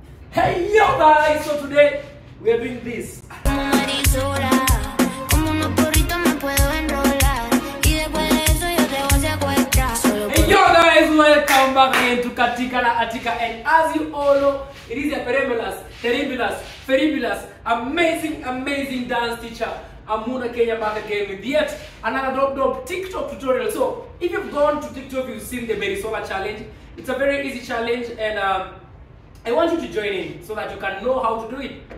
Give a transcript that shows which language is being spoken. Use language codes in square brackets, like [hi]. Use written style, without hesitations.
[en] Hey yo guys, so today we are doing this. [es] Marisola, como unos porritos me puedo enrolar. Y después de eso yo te voy a secuestrar. [en] Hey yo guys, welcome back again to Katika Na Artika. And as you all know, it is a perimbulous, terribulous, feribulous, amazing dance teacher. Amuna Kenya back again with yet another dope TikTok tutorial. So if you've gone to TikTok, you've seen the Marisola challenge. It's a very easy challenge, and I want you to join in so that you can know how to do it.